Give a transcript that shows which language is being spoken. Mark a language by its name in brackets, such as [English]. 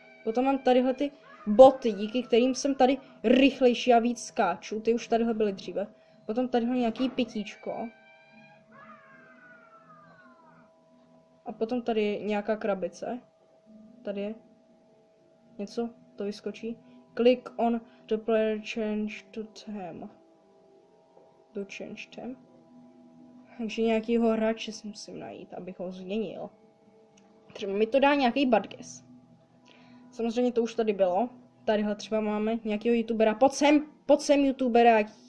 [Czech] Potom mám tadyhle ty boty, díky kterým jsem tady rychlejší a víc skáču, ty už tadyhle byly dříve. Potom tadyhle nějaký pitíčko. A potom tady nějaká krabice. Tady je. Něco? To vyskočí. [English] Click on the player change to them. To change them. [Czech] Takže nějakýho hráče si musím najít, abych ho změnil. Třeba mi to dá nějaký badges. Samozřejmě to už tady bylo. Tadyhle třeba máme nějakýho youtubera. Pojď sem youtubera.